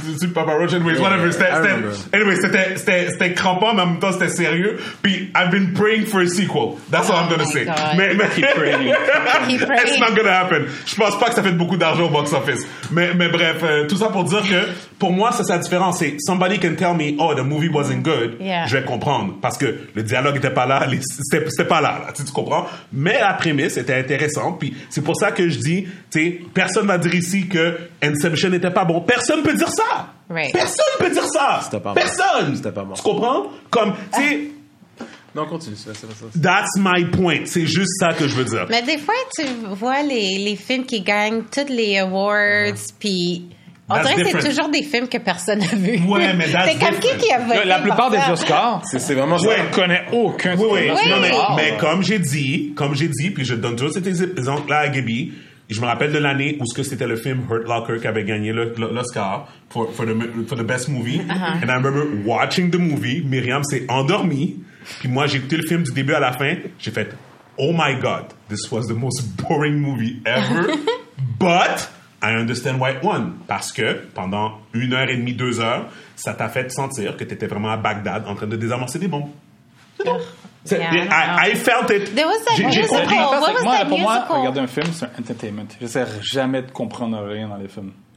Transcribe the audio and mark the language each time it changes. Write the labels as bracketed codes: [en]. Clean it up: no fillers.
[fr] Tu Papa Roach, c'était crampant, mais en même temps, c'était sérieux. [en] Puis, I've been praying for a sequel. That's all I'm going to say. Mais keep praying. It's not going to happen. [fr] Je pense pas que ça fait beaucoup d'argent au box-office. Mais bref, tout ça pour dire que, pour moi, c'est la différence. [en] C'est, somebody can tell me, oh, the movie wasn't good. Yeah. [fr] Je vais comprendre. Parce que le dialogue était pas là. C'était pas là. Tu comprends, mais la prémisse était intéressante, puis c'est pour ça que je dis, tu sais, personne va dire ici que Inception n'était pas bon. Personne peut dire ça. [en] Right. [fr] Personne peut dire ça. C'était pas personne. C'était pas bon. Tu comprends? Comme, tu sais. Non, continue. C'est pas ça. [en] That's my point. [fr] C'est juste ça que je veux dire. Mais des fois, tu vois les films qui gagnent tous les awards, puis. En vrai, c'est toujours des films que personne n'a vu. Ouais, mais that's c'est comme [en] different. [fr] Qui a voté. La plupart des Oscars, c'est vraiment ça. Je ne connais aucun. Mais comme j'ai dit, puis je donne toujours cet exemple-là à Gabby, je me rappelle de l'année où c'était le film Hurt Locker qui avait gagné l'Oscar [en] for the best movie. Uh-huh. And I remember watching the movie. [fr] Myriam s'est endormie. Puis moi, j'ai écouté le film du début à la fin. J'ai fait, [en] oh my God, this was the most boring movie ever. But... I understand why it won. [fr] Parce que pendant 1h30, 2h, ça t'a fait sentir que t'étais vraiment à Bagdad en train de désamorcer des bombes. C'est tout. [en] Yeah, I felt it. There was that musical. What was that musical? [fr] Pour moi, regarder un film, c'est un entertainment. J'essaie jamais de comprendre rien dans les films.